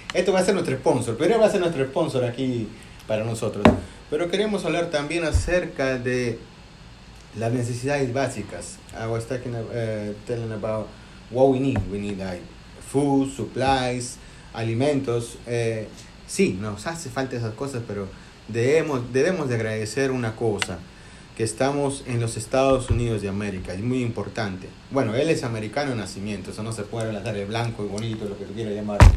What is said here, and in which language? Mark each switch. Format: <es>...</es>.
<es>Esto va a ser nuestro sponsor, pero va a ser nuestro sponsor aquí para nosotros. Pero queremos hablar también acerca de las necesidades básicas.</es> <en>I was talking telling about what we need. We need like food, supplies, alimentos.</en> <es>Sí, nos hace falta esas cosas, pero debemos de agradecer una cosa, que estamos en los Estados Unidos de América. Es muy importante. Bueno, él es americano de nacimiento, eso no se puede relatar de blanco y bonito, lo que tú quieras llamar.</es>